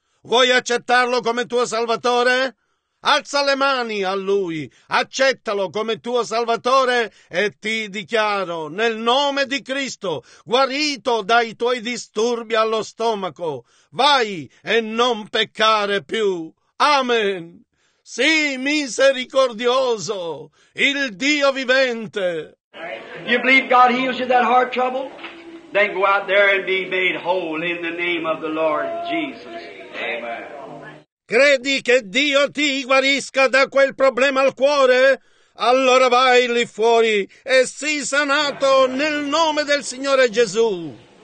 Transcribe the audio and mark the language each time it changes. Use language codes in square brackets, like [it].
[it] Vuoi accettarlo come tuo Salvatore? Alza le mani a Lui, accettalo come tuo Salvatore e ti dichiaro, nel nome di Cristo, guarito dai tuoi disturbi allo stomaco, vai e non peccare più. Amen. Sii misericordioso, il Dio vivente. [en] You believe God heals you that heart trouble? Then go out there and be made whole in the name of the Lord Jesus. Amen. [it] Credi che Dio ti guarisca da quel problema al cuore? Allora vai lì fuori e sii sanato nel nome del Signore Gesù.